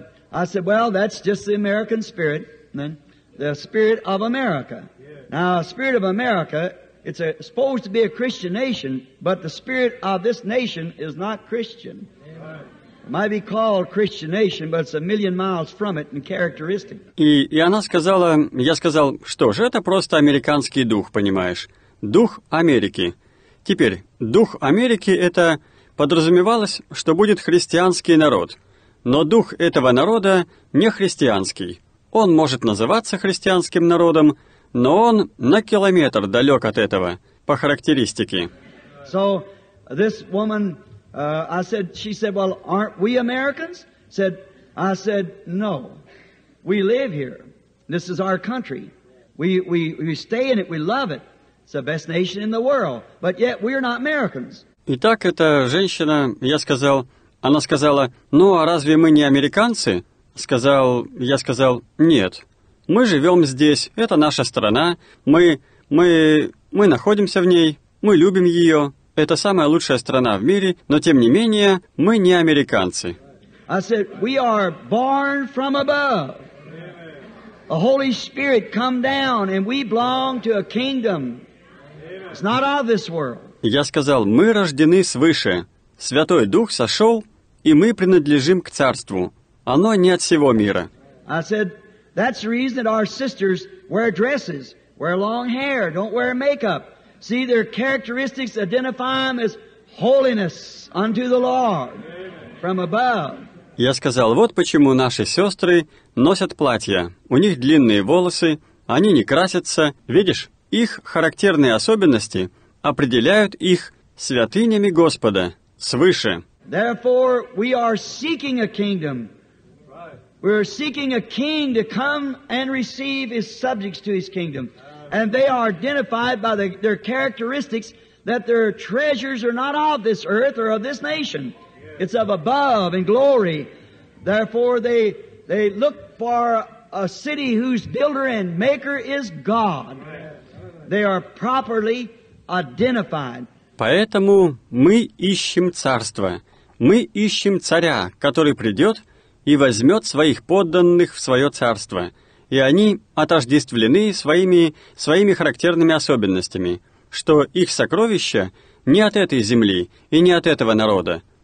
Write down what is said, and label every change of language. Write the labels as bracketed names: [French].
[English] I said, well, that's just the American spirit, then the spirit of America. Now, spirit of America, it's supposed to be a Christian nation, but the spirit of this nation is not Christian. It might be called Christian nation, but it's a million miles from it in characteristic. [Russian] И она сказала, я сказал, что же, это просто американский дух, понимаешь? Дух Америки. Теперь, дух Америки — это подразумевалось, что будет христианский народ, но дух этого народа не христианский. Он может называться христианским народом, но он на километр далек от этого, по характеристике. [English] So, this woman, she said, well, aren't we Americans? I said, no, we live here. This is our country. We stay in it, we love it. It's the best nation in the world, but yet we are not Americans. [Russian] Итак, эта женщина, я сказал, она сказала, ну, а разве мы не американцы? Я сказал, нет, мы живем здесь, это наша страна, мы находимся в ней, мы любим ее, это самая лучшая страна в мире, но тем не менее, мы не американцы. [English] I said, we are born from above. The Holy Spirit come down, and we belong to a kingdom. It's not of this world. [Russian] Я сказал, мы рождены свыше. Святой Дух сошел, и мы принадлежим к Царству. Оно не от сего мира. [English] I said, that's the reason that our sisters wear dresses, wear long hair, don't wear makeup. See, their characteristics identify them as holiness unto the Lord from above. [Russian] Я сказал, вот почему наши сестры носят платья. У них длинные волосы, они не красятся. Видишь, их характерные особенности определяют их святынями Господа, свыше. [English] Therefore, we are seeking a kingdom. We are seeking a king to come and receive his subjects to his kingdom. And they are identified by their characteristics that their treasures are not of this earth or of this nation. It's of above in glory. Therefore, they look for a city whose builder and maker is God. They are properly identified. [Russian] Поэтому мы ищем царство. Мы ищем царя, который придет и возьмет своих подданных в свое царство. И они отождествлены своими характерными особенностями, что их сокровище не от этой земли и не от этого народа.